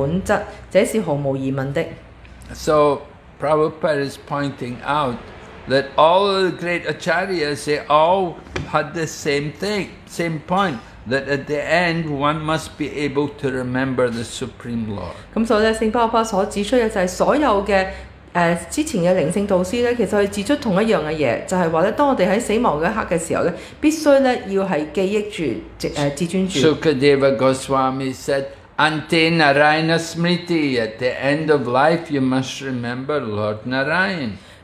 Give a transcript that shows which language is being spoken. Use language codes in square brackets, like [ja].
[zh] 這個是第八章第五節的詩節，在死亡時銘記著我離開軀體的人，立刻獲得我的本質，這是毫無疑問的。 [en] So Prabhupada is pointing out that all of the great acharyas, they all had the same thing, same point, that at the end one must be able to remember the Supreme Lord. [zh] 所以聖波波所指出的就是所有的之前的靈性導師，其實他指出同一樣的東西，就是當我們在死亡的一刻的時候，必須要是記憶住自尊主。 [en] Sukadeva Goswami said, Ante Narayana Smriti, at the end of life you must remember Lord Narayana.